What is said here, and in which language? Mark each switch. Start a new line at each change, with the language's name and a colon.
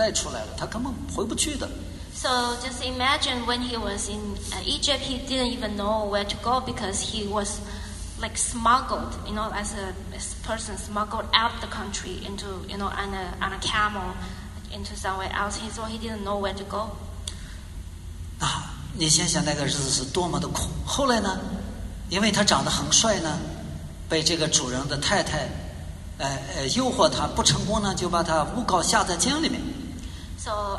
Chinese: 他的家乡在哪里？因为别人把他相当于偷渡出来一样，就是带在骆驼上面就带出来了，他根本回不去的。
English: So just imagine when he was in Egypt, he didn't even know where to go because he was like smuggled, you know, as a person smuggled out the country into, you know, on a camel into somewhere else. So he didn't know where to go.
Chinese: 啊，你想想那个日子是多么的苦。后来呢，因为他长得很帅呢。被这个主人的太太诱惑他不成功呢，就把他诬告下在监里面。
English: So